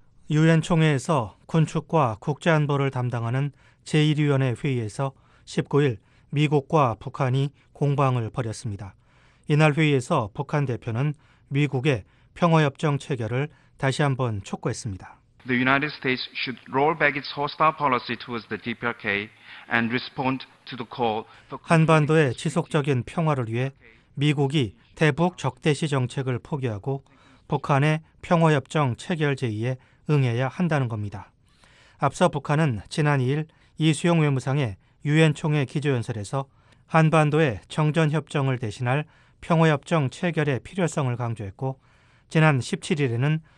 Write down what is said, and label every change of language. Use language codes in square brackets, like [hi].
[ko] 유엔 총회에서 군축과 국제안보를 담당하는 제1위원회 회의에서 19일 미국과 북한이 공방을 벌였습니다. 이날 회의에서 북한 대표는 미국의 평화협정 체결을 다시 한번 촉구했습니다. [en] The United States should roll back its hostile policy towards the DPRK and respond to the call for [ko] 한반도의 지속적인 평화를 위해 미국이 대북 적대시 정책을 포기하고 북한의 평화협정 체결 제의에 응해야 한다는 겁니다. 앞서 북한은 지난 2일 이수용 외무상의 유엔 총회 기조연설에서 한반도의 정전협정을 대신할 평화협정 체결의 필요성을 강조했고 지난 17일에는